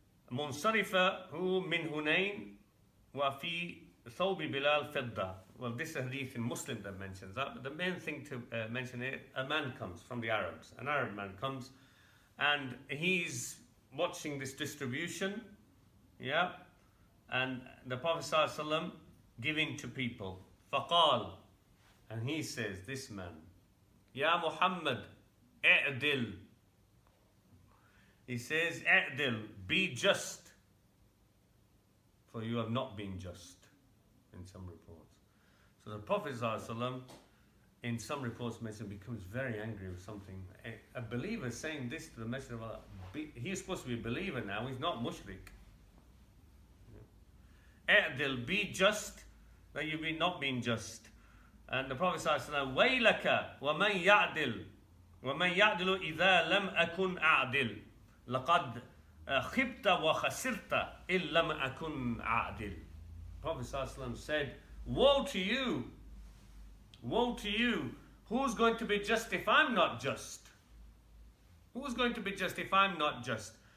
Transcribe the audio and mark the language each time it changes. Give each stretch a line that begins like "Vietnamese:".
Arabic: منصرفة هو من هنين وفي ثوب بلال فضة.
English: Well, this is a hadith in Muslim that mentions that. But the main thing to mention is a man comes from the Arabs. An Arab man comes and he's watching this distribution. Yeah. And the Prophet ﷺ giving to people.
Arabic: فقال.
English: And he says, this man, Ya Muhammad,
Arabic: اعدل.
English: He says, اعدل. be just, for you have not been just, in some reports. So the Prophet ﷺ, in some reports, mentioned, becomes very angry with something. A believer saying this to the Messenger of Allah, he is supposed to be a believer now, he's not mushrik.
Arabic: اعدل,
English: be just, that you've been not been just. And the Prophet ﷺ,
Arabic: وَيْلَكَ وَمَنْ يَعْدِلْ وَمَنْ يَعْدِلُ إِذَا لَمْ أَكُنْ أَعْدِلْ لَقَدْ خِبْتَ وَخَسِرْتَ إِلْ لَمْ أَكُنْ أَعْدِلْ.
English: Prophet ﷺ said, woe to you! Woe to you! Who's going to be just if I'm not just? Who's going to be just if I'm not just?